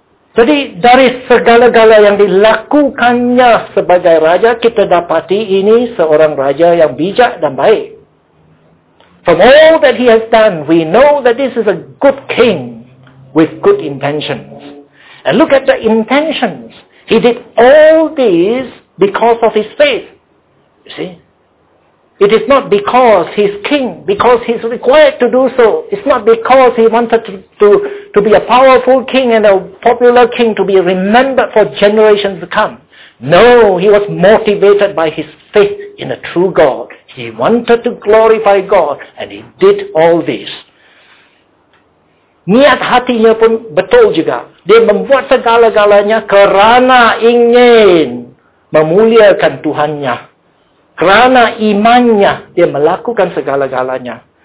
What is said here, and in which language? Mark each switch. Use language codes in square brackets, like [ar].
[ms] Jadi dari segala-gala yang dilakukannya sebagai raja, kita dapati ini seorang raja yang bijak dan baik. [en] From all that he has done, we know that this is a good king with good intentions. And look at the intentions. He did all this because of his faith. You see? It is not because he's king, because he's required to do so. It's not because he wanted to be a powerful king and a popular king to be remembered for generations to come. No, he was motivated by his faith in a true God. He wanted to glorify God, and he did all this. [ms] Niat hatinya pun betul juga. Dia membuat segala-galanya kerana ingin memuliakan Tuhannya. Kerana imannya, dia melakukan segala-galanya.